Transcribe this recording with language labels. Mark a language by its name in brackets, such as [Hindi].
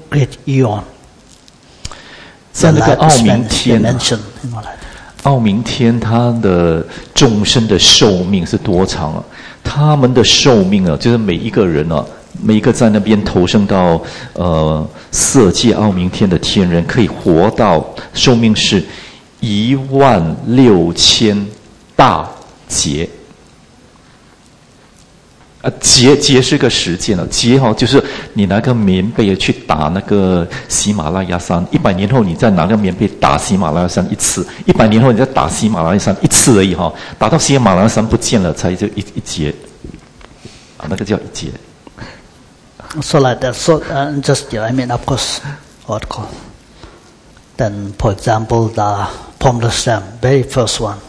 [English] 16,000 great Eon. Their life span is mentioned, you know, like that. [Chinese] 傲明天他的众生的寿命是多长啊？他们的寿命啊，就是每一个人啊，每一个在那边投生到色界傲明天的天人，可以活到寿命是16,000大劫。啊，劫是个时间了、啊，劫哈、啊、就是你拿个棉被去打那个喜马拉雅山，100年后你再拿个棉被打喜马拉雅山一次，100年后你再打喜马拉雅山一次而已哈、啊，打到喜马拉雅山不见了才就一劫。那个叫一劫。 [English] So like that. So, just yeah. I mean, of course, what called? Then, for example, the palmless realm, very first one.